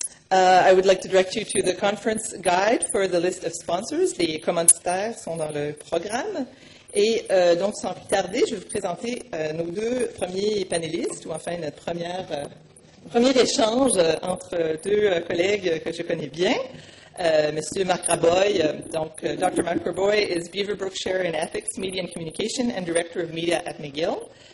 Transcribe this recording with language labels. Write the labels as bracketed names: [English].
[English] I would like to direct you to the conference guide for the list of sponsors. [French] Les commanditaires sont dans le programme. Et donc, sans plus tarder, je vais vous présenter nos deux premiers panélistes, ou enfin notre premier échange entre deux collègues que je connais bien. Monsieur Marc Raboy, donc Dr. [English] Marc Raboy is Beaverbrook Chair in Ethics, Media and Communication and Director of Media at McGill.